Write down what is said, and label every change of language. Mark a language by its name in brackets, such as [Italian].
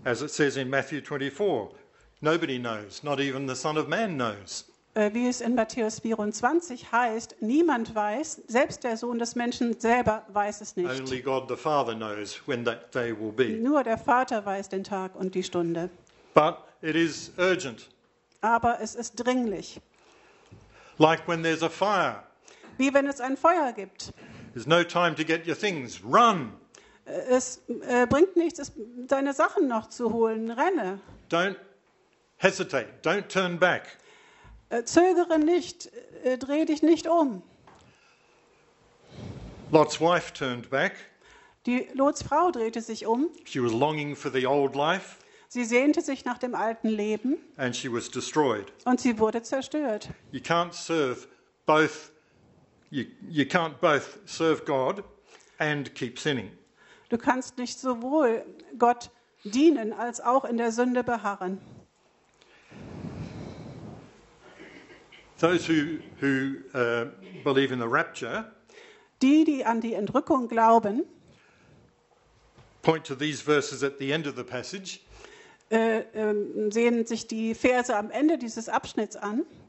[English] As it says in Matthew 24, nobody knows, not even the Son of Man knows. [German] Wie es in Matthäus 24 heißt, niemand weiß, selbst der Sohn des Menschen selber weiß es nicht. [English] Only God the Father knows when that day will be. [German] Nur der Vater weiß den Tag und die Stunde. [English] But it is urgent. [German] Aber es ist dringlich. [English] Like when there's a fire. [German] Wie wenn es ein Feuer gibt. [English] There's no time to get your things. Run. [German] Es bringt nichts, deine Sachen noch zu holen. Renne. [English] Don't hesitate. Don't turn back. [German] Zögere nicht, dreh dich nicht um. [English] Lot's wife turned back. [German] Die Lots Frau drehte sich um. [English] She was longing for the old life. [German] Sie sehnte sich nach dem alten Leben. [English] And she was destroyed. [German] Und sie wurde zerstört. [English] You can't serve both. You can't both serve God and keep sinning. [German] Du kannst nicht sowohl Gott dienen als auch in der Sünde beharren. [English] Those who believe in the rapture, [German] die an die Entrückung glauben, [English] point to these verses at the end of the passage. [German] Sehen sich die Verse am Ende dieses Abschnitts an.